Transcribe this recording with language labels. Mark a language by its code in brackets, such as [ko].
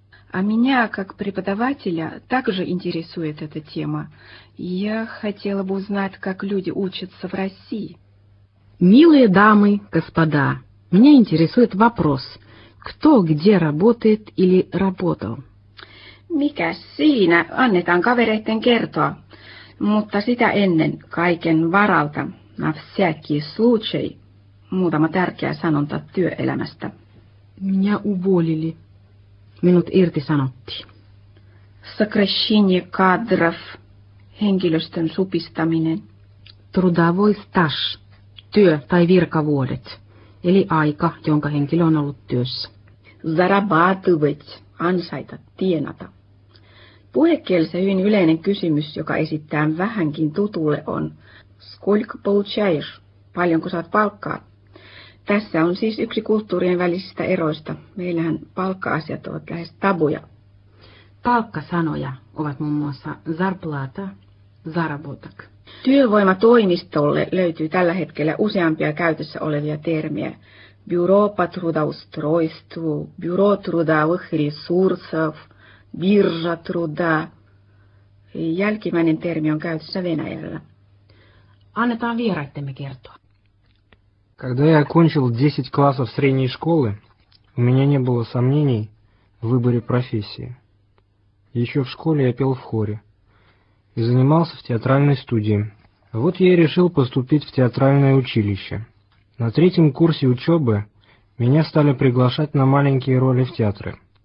[ru] А меня, как преподавателя, также интересует эта тема. Я хотела бы узнать, как люди учатся в России. Милые дамы, господа, меня интересует вопрос, кто где работает или работал? [fi] Mikä siinä? Annetaan kavereiden kertoa. Mutta sitä ennen, kaiken varalta, [ru] на всякий случай, [fi] muutama tärkeä sanonta työelämästä. [ru] Меня уволили. [fi] Minut irtisanotti. [ru] Сокращение кадров, [fi] henkilöstön supistaminen. [ru] Трудовой стаж, [fi] työ tai virkavuodet. Eli aika, jonka henkilö on ollut työssä. Зарабатывать, ansaita, tienata. Puhekielessä hyvin yleinen kysymys, joka esittää vähänkin tutulle, on [ru] сколько получаешь, [fi] paljonko saat palkkaa. Tässä on siis yksi kulttuurien välisistä eroista. Meillähän palkka-asiat ovat lähes tabuja. Palkkasanoja ovat muun muassa зарплата, заработок. Työvoimatoimistolle löytyy tällä hetkellä useampia käytössä olevia termejä. [ru] Бюро по трудоустройству, бюро трудовых ресурсов, биржа труда. [fi] Jälkimmäinen termi on käytössä Venäjällä. Annetaan vieraittemme kertoa. [ru] Когда я окончил 10 классов средней школы, у меня не было сомнений в выборе профессии. Еще в школе я пел в хоре и занимался в театральной студии. Вот я и решил поступить в театральное училище. На третьем курсе учебы меня стали приглашать на маленькие роли в театры.